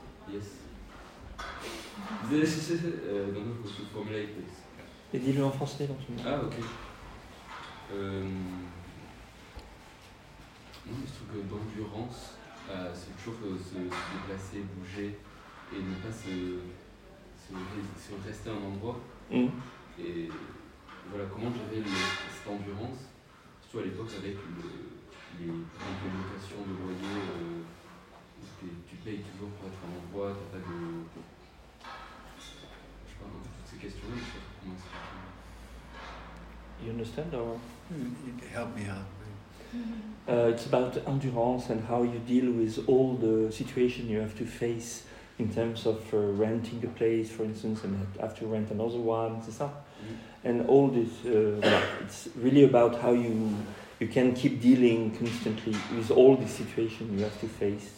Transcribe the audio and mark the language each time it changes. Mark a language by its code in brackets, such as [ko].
[en] Yes. This I don't know how to formulate this. [fr] Et dis-le en français, donc. Ah, ok. Non, je trouve que d'endurance, c'est toujours se déplacer, bouger et ne pas se. Si on restait à un endroit, et voilà comment j'avais cette endurance, surtout à l'époque avec les locations de loyer, tu payes toujours pour être à un endroit, t'as pas de. Je sais pas, toutes ces questions-là, je sais pas comment ça fait. [en] You understand or? Help me out. It's about endurance and how you deal with all the situations you have to face. In terms of renting a place, for instance, and have to rent another one, [fr] c'est ça? [en] And all this, it's really about how you can keep dealing constantly with all the situation you have to face.